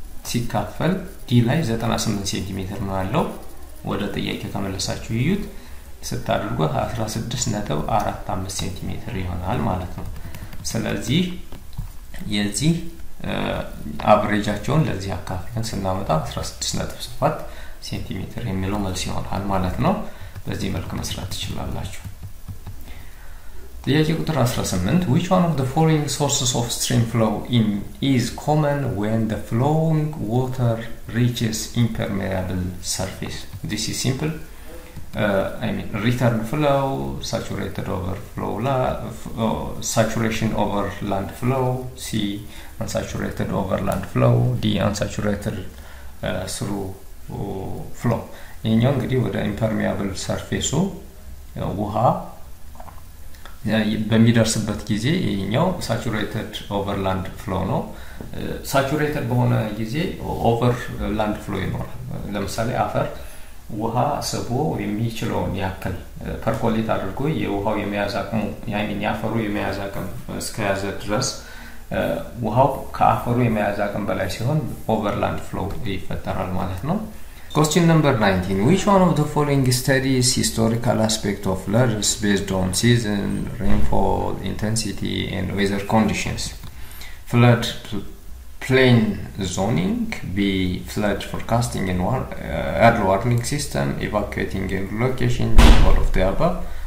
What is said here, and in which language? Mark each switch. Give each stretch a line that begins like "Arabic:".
Amharic: ሲካፈል ዲ ላይ 98 ሴንቲሜትር ነው ያለው። ወደ ጥያቄው ተመለሳችሁ ይዩት። ስታደርጉ 16.45 ሴንቲሜትር ይሆናል ማለት ነው። ስለዚህ የዚህ አቨሬጃቸውን ለዚህ አካፍለን ስናመጣ 16.7 ሴንቲሜትር የሚለው መልስ ይሆናል ማለት ነው። በዚህ መልኩ መስራት ይችላልላችሁ። ጥያቄ ቁጥር
English: 18 which one of the following sources of stream flow in is common when the flowing water reaches impermeable surface? This is simple. return flow, saturated over flow, saturation over land flow, C unsaturated over land flow, D unsaturated through flow.
Amharic: እኛ እንግዲህ ወደ impermeable surface ውሃ በሚደርስበት ጊዜ ይሄኛው saturated overland flow ነው። Saturated በሆነ ጊዜ overland flow ይኖራል። ለምሳሌ አፈር ውሃ ስቦ የሚችለውን ያክል percolate አድርጎ የውሃው የሚያዛቅሙ ያፈሩ የሚያዛቅም እስከያዘ ድረስ ውሃው ከአፈሩ የሚያዛቅም በላይ ሲሆን overland flow ይፈጠራል ማለት ነው።
English: Question number 19. Which one of the following studies historical aspect of floods based on season, rainfall intensity and weather conditions? Flood plain zoning, B flood forecasting and early warning system, evacuating and relocation, D all of the above.